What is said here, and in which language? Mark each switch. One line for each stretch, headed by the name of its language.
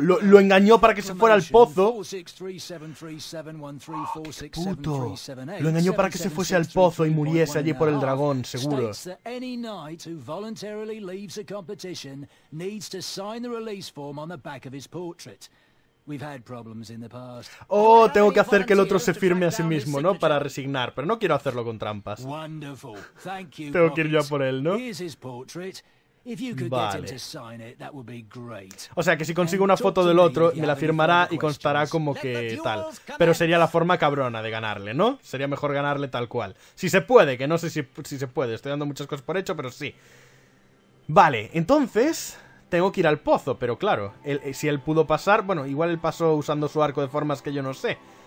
Spanish: Lo engañó para que se fuera al pozo. ¡Qué puto! Lo engañó para que se fuese al pozo y muriese allí por el dragón, seguro.
English: Any knight who voluntarily leaves a competition needs to sign the release form on the back of his portrait. We've had problems in the past.
Spanish: Oh, tengo que hacer que el otro se firme a sí mismo, ¿no? Para resignar, pero no quiero hacerlo con trampas.
English: Wonderful. Thank you.
Spanish: Tengo que ir ya por él, ¿no?
English: Here's his portrait. If you could get him to sign it, that would be great.
Spanish: O sea, que si consigo una foto del otro, me la firmará y constará como que tal. Pero sería la forma cabrona de ganarle, ¿no? Sería mejor ganarle tal cual. Si se puede, que no sé si se puede. Estoy dando muchas cosas por hecho, pero sí. Vale, entonces tengo que ir al pozo, pero claro, si él pudo pasar, bueno, igual él pasó usando su arco de formas que yo no sé.